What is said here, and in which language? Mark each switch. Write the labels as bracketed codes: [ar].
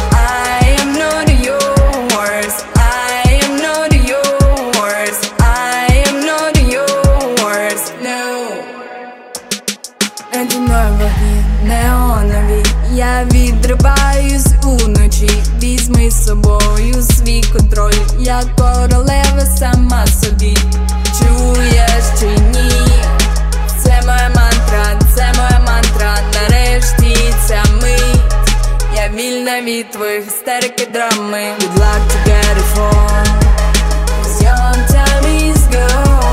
[en] I am not yours, I am not yours, I am not yours, no. And you know what you [uk] я відриваюсь уночі, візьми з собою свій контроль. Я королева сама собі, чуєш чи ні? Це моя мантра, це моя мантра. Нарешті ця мить, я вільна від твоїх істерик і драми. [en] Good luck to get a phone, cause your time is gone.